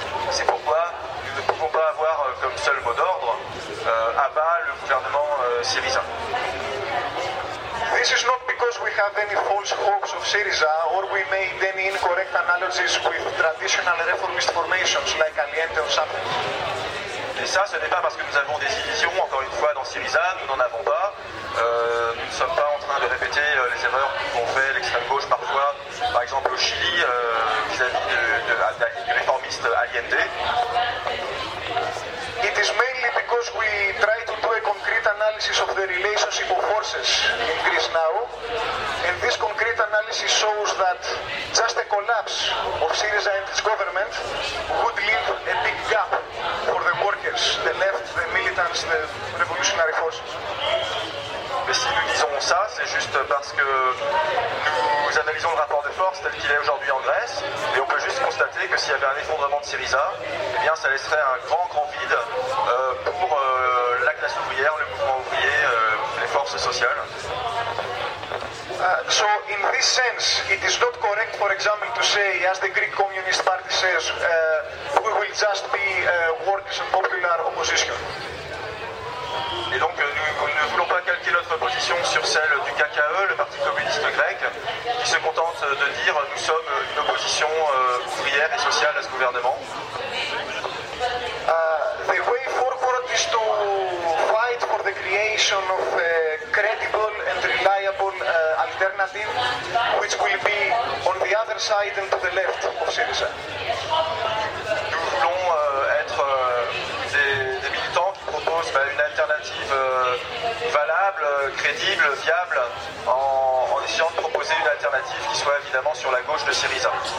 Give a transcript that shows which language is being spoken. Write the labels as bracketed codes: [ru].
[fr] C'est pourquoi nous ne pouvons pas avoir comme seul mot d'ordre abat le gouvernement Syriza. [en] This is not because we have any false hopes of Syriza or we made any incorrect analogies with traditional reformist formations like Aliente or something. [fr] Et ça, ce n'est pas parce que nous avons des illusions, encore une fois, dans Syriza, nous n'en avons pas. Nous ne sommes pas en train de répéter les erreurs qu'ont fait l'extrême gauche parfois, par exemple au Chili, vis-à-vis du réformiste Allende. [en] It is mainly because we try to do a concrete analysis of the relationship of force. chances in Greece now. And this concrete analysis shows that just a collapse of Syriza and its government would leave a big gap for the workers, the left, the militants, the revolutionary forces. [fr] Mais si nous disons ça, c'est juste parce que nous analysons le rapport de force tel qu'il est aujourd'hui en Grèce, et on peut juste constater que s'il y avait un effondrement de Syriza, eh bien ça laisserait un grand, grand vide pour la classe ouvrière, le mouvement ouvrier, les forces sociales. [en] So in this sense, it is not correct, for example, to say, as the Greek Communist Party says, we will just be workers and popular opposition. [fr] Et donc nous ne voulons pas calquer notre position sur celle du KKE, le Parti communiste grec, qui se contente de dire nous sommes une opposition ouvrière et sociale à ce gouvernement. [en] The way forward is to fight for the creation of a credible and reliable alternative, which will be on the other side and to the left of Syriza. [fr] Nous voulons être des militants qui proposent une alternative valable, crédible, viable, en essayant de proposer une alternative qui soit évidemment sur la gauche de Syriza.